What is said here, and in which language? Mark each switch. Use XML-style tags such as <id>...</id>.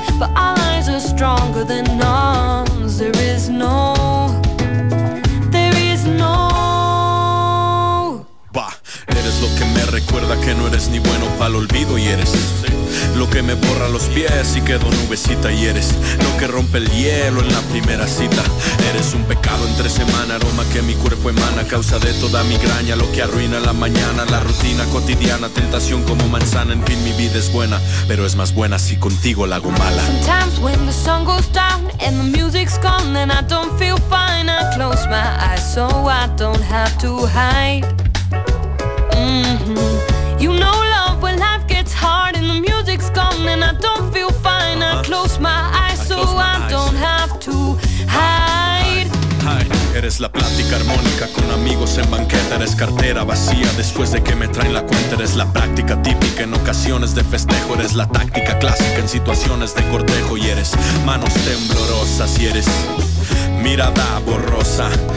<en>But our lives are stronger than us, there is no, there is no.</en> <es>Bah, eres lo que me recuerda que no eres ni bueno para el olvido. Y eres lo que me borra los pies y quedo nubecita. Y eres lo que rompe el hielo en la primera cita. Eres un pecado entre semana, aroma que mi cuerpo emana, causa de toda migraña, lo que arruina la mañana, la rutina cotidiana, tentación como manzana. En fin, mi vida es buena, pero es más buena si contigo la hago mala.</es> <en>Sometimes when the sun goes down and the music's gone and I don't feel fine, I close my eyes so I don't have to hide. You know love when life gets hard and the music's gone and I don't feel fine. I close my eyes so I don't have to hide.</en> <es>Eres la plática armónica con amigos en banqueta. Eres cartera vacía después de que me traen la cuenta. Eres la práctica típica en ocasiones de festejo. Eres la táctica clásica en situaciones de cortejo. Y eres manos temblorosas y eres mirada borrosa.</es>